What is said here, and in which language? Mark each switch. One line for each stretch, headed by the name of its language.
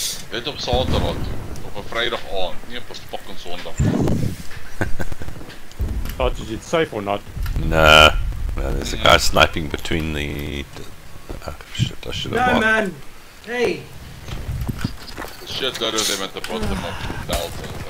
Afrikaans: Dit op Saterdag, op 'n Vrydag aand, nie op 'n fucking Sondag.
English: Thought is it safe or not? Nah, well, there's a guy sniping between the... Oh, shit, I should have No, man! Hey!
Afrikaans: Shit, daar is hy met die bottom op die delta.